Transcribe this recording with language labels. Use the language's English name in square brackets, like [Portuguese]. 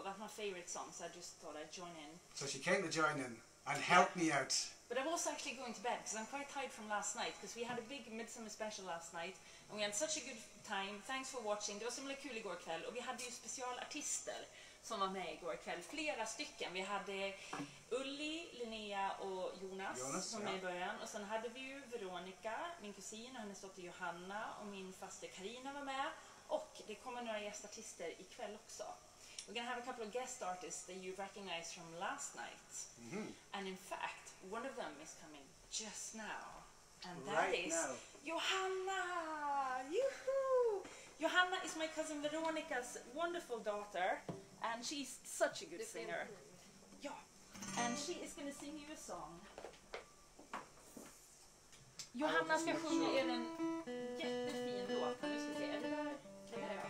[English] That's my favorite song, so I just thought I'd join in. So she came to join in and help me out. But I was actually going to bed, because I'm quite tired from last night. Because we had a big midsummer special last night. And we had such a good time. Thanks for watching. [Swedish] Det var så himla kul igår kväll. Och vi hade ju specialartister som var med igår kväll, flera stycken. Vi hade Ulli, Linnea och Jonas som var med i början. Och sen hade vi ju Veronica, min kusin och hennes dotter Johanna, och min faste Karina var med. Och det kommer några gästartister ikväll också. [English] We're gonna have a couple of guest artists that you recognize from last night. Mm-hmm. And in fact, one of them is coming just now. And that right is now. Johanna! Yoo-hoo! Johanna is my cousin Veronica's wonderful daughter. And she's such a good singer. Yeah. And she is going to sing you a song. [Swedish] Johanna ska sjunga er en jättefin låt. Nu ska vi se.